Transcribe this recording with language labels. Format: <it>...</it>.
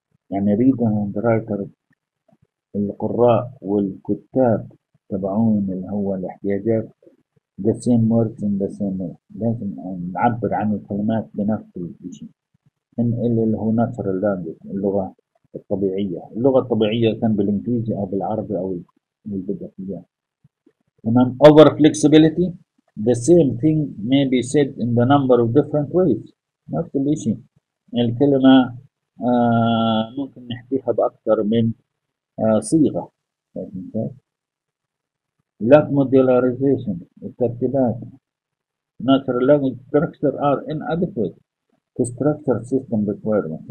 <en>يعني readers and writers</en> <ar>القراء والكتاب تبعون اللي هو الاحتياجات</ar> <en>the same words in the same way.</en> <ar>لازم نعبر عن الكلمات بنفس الشيء. إن اللي هو natural language اللغة الطبيعية. اللغة الطبيعية كان بالإنجليزي أو بالعربي أو بالبدائية. تمام.</ar> <en>over flexibility the same thing may be said in the number of different ways.</en> <ar>نفس الشيء. الكلمة ممكن نحكيها بأكثر من صيغة.</ar> <en>lack modularization الترتيبات natural language structure are inadequate to structure system requirements.</en>